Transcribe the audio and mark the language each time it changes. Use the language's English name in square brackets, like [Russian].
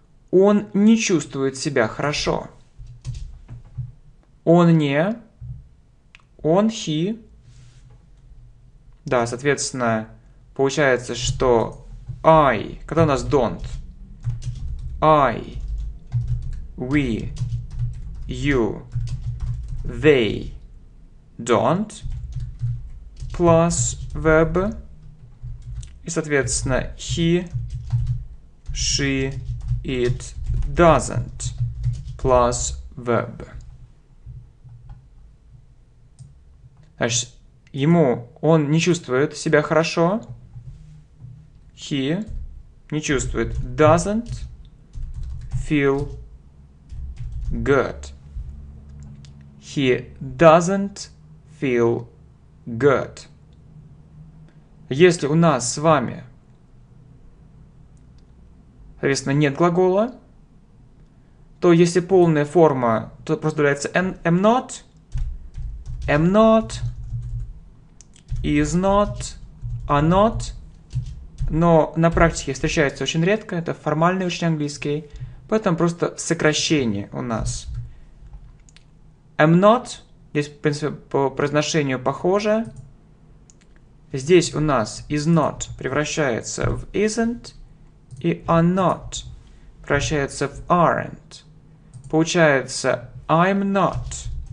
[Russian] Он не чувствует себя хорошо. Он не. Он he. Да, соответственно, получается, что I. Когда у нас don't? [English] I, we, you, they don't, plus verb, и, соответственно, he, she, it doesn't, plus verb. [Russian] Значит, ему он не чувствует себя хорошо, he не чувствует, doesn't feel good. [English] He doesn't feel good. [Russian] Если у нас с вами, соответственно, нет глагола, то если полная форма, то просто добавляется am not, is not, are not. Но на практике встречается очень редко, это формальный очень английский. Поэтому просто сокращение у нас. [English] Am not. [Russian] Здесь, в принципе, по произношению похоже. Здесь у нас is not превращается в isn't. И are not превращается в aren't. Получается [English] I'm not.